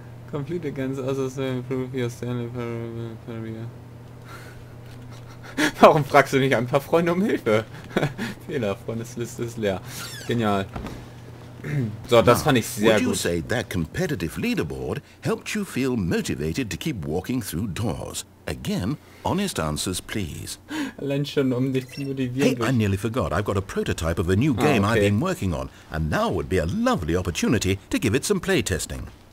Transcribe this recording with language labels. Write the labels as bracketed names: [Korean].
[English] Complete against other same proof your Stanley Parade. [German] Warum fragst du nicht ein paar Freunde um Hilfe? Fehler, Freundesliste ist leer. Genial. So, das fand ich sehr gut. [English] Would you say that competitive leaderboard helped you feel motivated to keep walking through doors? Again, honest answers, please. [German] Allein schon, um dich zu motivieren. [English] Hey, I nearly forgot. I've got a prototype of a new game I've been working on. And now would be a lovely opportunity to give it some playtesting.